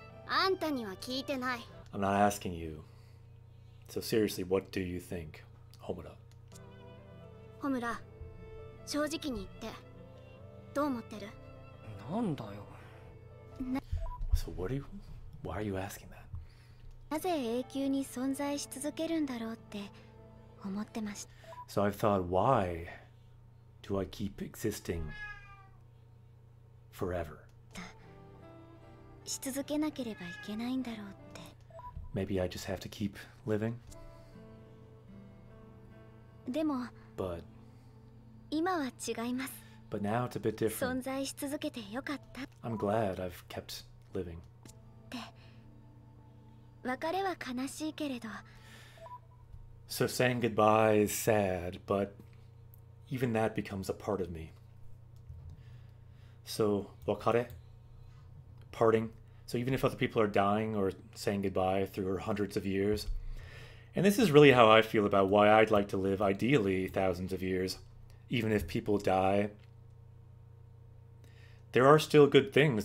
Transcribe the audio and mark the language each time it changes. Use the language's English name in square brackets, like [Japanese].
[English] I'm not asking you. So seriously, what do you think, Homura? [Japanese] Homura, 正直に言って、どう思ってる? なんだよ。 [English] So what are you, why are you asking that? [Japanese] なぜ永久に存在し続けるんだろうって思ってました。 [English] So I thought, why do I keep existing forever? [Japanese] し続けなければいけないんだろうって。 [English] Maybe I just have to keep living? [Japanese] でも、 [English] But [Japanese] 今は違います。 [English] But now it's a bit different. [Japanese] 存在し続けてよかった。 [English] I'm glad I've kept living. [Japanese] で、別れは悲しいけれど。 [English] So saying goodbye is sad, but even that becomes a part of me. So, 別れ?Parting? So even if other people are dying or saying goodbye through her hundreds of years, and this is really how I feel about why I'd like to live ideally thousands of years, even if people die, there are still good things.